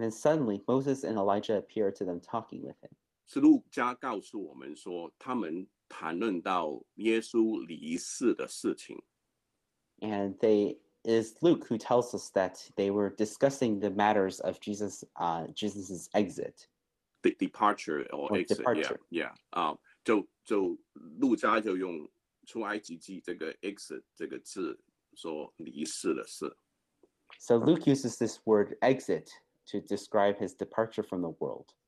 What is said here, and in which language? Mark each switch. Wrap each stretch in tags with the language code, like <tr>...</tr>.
<en>then suddenly, Moses and Elijah appear to them talking with him.</en> <zh>是路加告诉我们说，他们谈论到耶稣离世的事情。</zh> <en>And it is Luke who tells us that they were discussing the matters of Jesus's exit. The departure or exit. Departure. Yeah.</en> <zh>就路加就用 出埃及记这个exit这个字说离世的事。</zh> <en>So Luke uses this word exit to describe his departure from the world.</en>